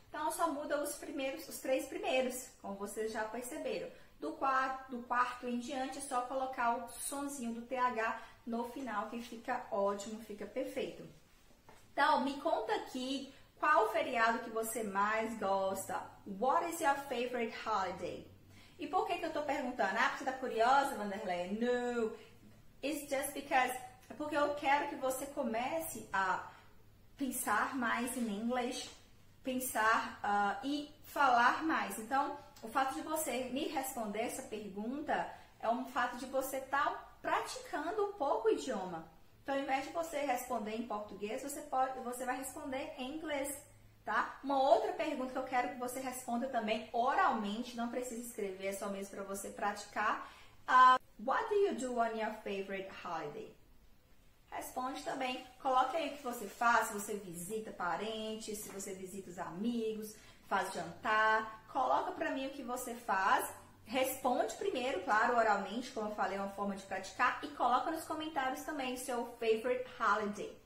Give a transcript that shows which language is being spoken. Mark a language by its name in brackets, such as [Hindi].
[Portuguese] Então, só muda os três primeiros, como vocês já perceberam. Do quarto em diante, é só colocar o sonzinho do TH no final, que fica ótimo, fica perfeito. Então, me conta aqui qual o feriado que você mais gosta. [English] What is your favorite holiday? [Portuguese] E por que que eu tô perguntando? Ah, você tá curiosa, Wanderlei? [English] No, it's just because... [Portuguese] É porque eu quero que você comece a pensar mais em inglês, pensar e falar mais. Então, o fato de você me responder essa pergunta é um fato de você estar praticando um pouco o idioma. Então, ao invés de você responder em português, você vai responder em inglês, tá? Uma outra pergunta que eu quero que você responda também oralmente, não precisa escrever, é só mesmo para você praticar. [English] What do you do on your favorite holiday? [Portuguese] Responde também. Coloque aí o que você faz, se você visita parentes, se você visita os amigos, faz jantar. Coloca para mim o que você faz. Responde primeiro, claro, oralmente, como eu falei, é uma forma de praticar. E coloca nos comentários também seu [English] favorite holiday.